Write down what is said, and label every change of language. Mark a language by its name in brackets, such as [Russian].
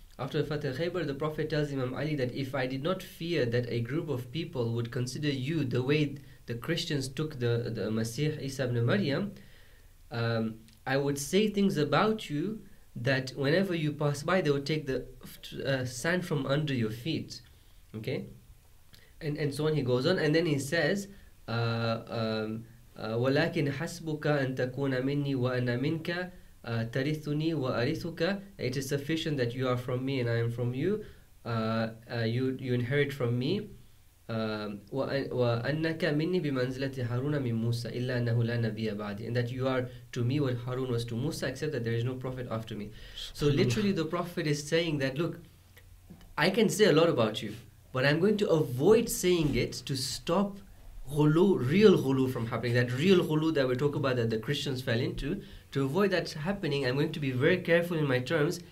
[English] After the Fatah al-Khaybar, the Prophet tells Imam Ali that if I did not fear that a group of people would consider you the way the Christians took the Masih Isa ibn Maryam, I would say things about you that whenever you pass by, they would take the sand from under your feet. Okay, and so on. He goes on, and then he says, [Arabic] "ولكن حسبك أن تكون مني وأنا منك ترثني وأرثك." [English] It is sufficient that you are from me and I am from you. You inherit from me. [Arabic] وأنك مني بمنزلة هارون من موسى إلا أنه لا نبي بعدي. [English] And that you are to me what Harun was to Musa, except that there is no prophet after me. So literally, the Prophet is saying that, look, I can say a lot about you, but I'm going to avoid saying it to stop ghulu, real ghulu from happening. That real ghulu that we talk about that the Christians fell into. To avoid that happening, I'm going to be very careful in my terms.